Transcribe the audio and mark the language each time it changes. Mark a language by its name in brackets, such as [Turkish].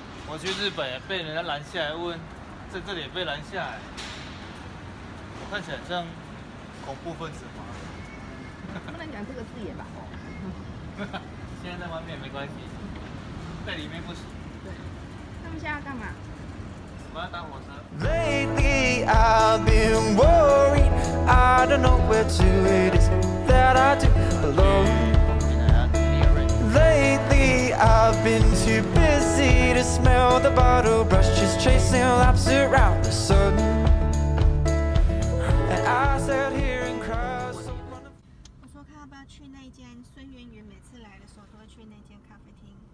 [Chinese] 我去日本也被人家拦下来问。在这里也被拦下来，我看起来像恐怖分子吗？不能讲这个字眼吧？哦，现在在外面没关系，在里面不行。对，他们现在要干嘛？ [English] Lately I've been worried, I don't know where to it is that I do belong. Lately I've been too busy to smell the bottle brush, just chasing laps around the sun. And I sat here and cried. [Chinese] 我说看要不要去那间孙媛媛每次来的时候都会去那间咖啡厅